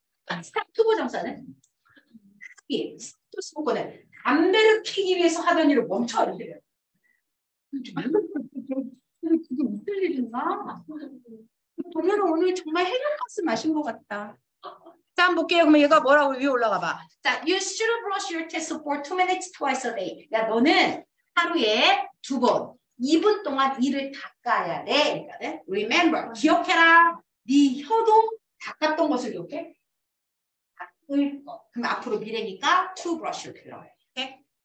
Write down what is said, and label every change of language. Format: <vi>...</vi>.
<ko>stop 투부정사는 stop smoking는 담배를 피기 위해서 하던 일을 멈춰 이렇게 돼요. 그게 웃을 일인가. 동현은 오늘 정말 해결가스 마신 것 같다. 자, 한번 볼게요. 그러면 얘가 뭐라고 위에 올라가 봐.</ko> <en>자, you should brush your teeth for 2 minutes twice a day.</en> <ko>야, 너는 하루에 두 번, 2분 동안 이를 닦아야 돼. 그러니까는 remember, 기억해라. 네 혀도 닦았던 것을 기억해? 닦을 거. 그럼 앞으로 미래니까 to brush를 필요해. 오케이?</ko>